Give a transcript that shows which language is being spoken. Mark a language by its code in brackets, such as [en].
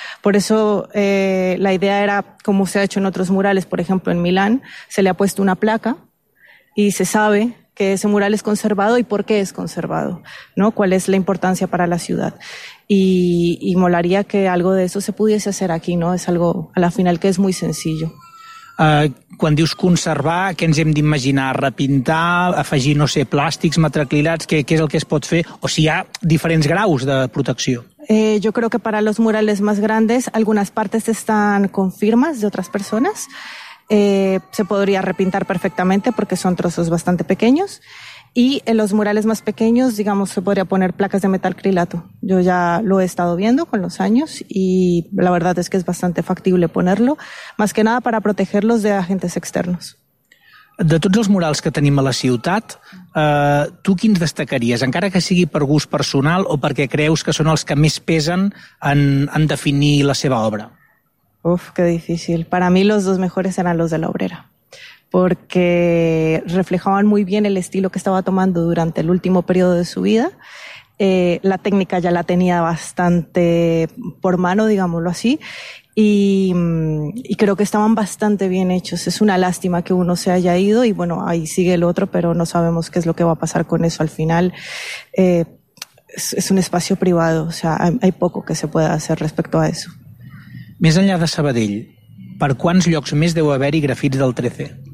[es] Por eso la idea era, como se ha hecho en otros murales, por ejemplo en Milán, se le ha puesto una placa y se sabe que ese mural es conservado y por qué es conservado, ¿no? ¿Cuál es la importancia para la ciudad? Y molaría que algo de eso se pudiese hacer aquí, ¿no? Es algo, a la final, que es muy sencillo. [ca] Quan dius conservar, què ens hem d'imaginar? Repintar, afegir, no sé, plàstics, metacrilats, què és el que es pot fer? O si hi ha diferents graus de protecció? [es] Yo creo que para los murales más grandes, algunas partes están con firmas de otras personas. Se podría repintar perfectamente porque son trozos bastante pequeños. Y en los murales más pequeños, digamos, se podría poner placas de metacrilato. Yo ya lo he estado viendo con los años y la verdad es que es bastante factible ponerlo, más que nada para protegerlos de agentes externos. [ca] De tots els murals que tenim a la ciutat, tu quins destacaries? Encara que sigui per gust personal o perquè creus que són els que més pesen en definir la seva obra? [es] Uf, qué difícil. Para mí los dos mejores eran los de la Obrera, porque reflejaban muy bien el estilo que estaba tomando durante el último periodo de su vida. La técnica ya la tenía bastante por mano, digámoslo así, y creo que estaban bastante bien hechos. Es una lástima que uno se haya ido y bueno, ahí sigue el otro, pero no sabemos qué es lo que va a pasar con eso al final. Es un espacio privado, o sea, hay poco que se pueda hacer respecto a eso. [ca] Més enllà de Sabadell, per quants llocs més deu haver-hi grafits del 13?